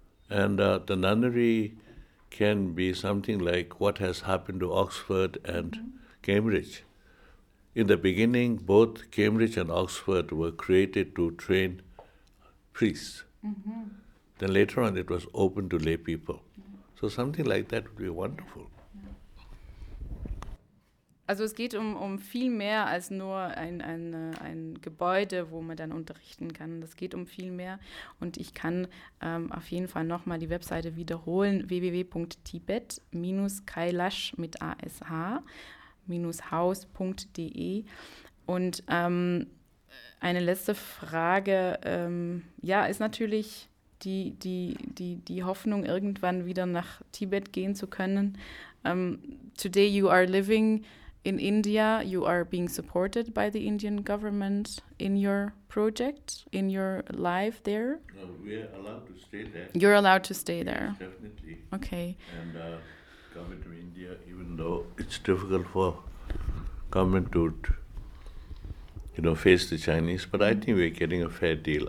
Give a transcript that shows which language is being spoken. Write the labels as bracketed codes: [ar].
[en] And the nunnery can be something like what has happened to Oxford and mm-hmm. Cambridge. In the beginning, both Cambridge and Oxford were created to train priests. Mm-hmm. Then later on, it was open to lay people. Mm-hmm. So something like that would be wonderful. [de] Also es geht um viel mehr als nur ein Gebäude, wo man dann unterrichten kann. Das geht um viel mehr. Und ich kann auf jeden Fall nochmal die Webseite wiederholen. www.tibet-kailash-house.de. Und eine letzte Frage. Ist natürlich die Hoffnung, irgendwann wieder nach Tibet gehen zu können. [en] Today you are living in India, you are being supported by the Indian government in your project, in your life there? No, we are allowed to stay there. You're allowed to stay there. Definitely. Okay. And government of India, even though it's difficult for government to, face the Chinese, but I think we're getting a fair deal.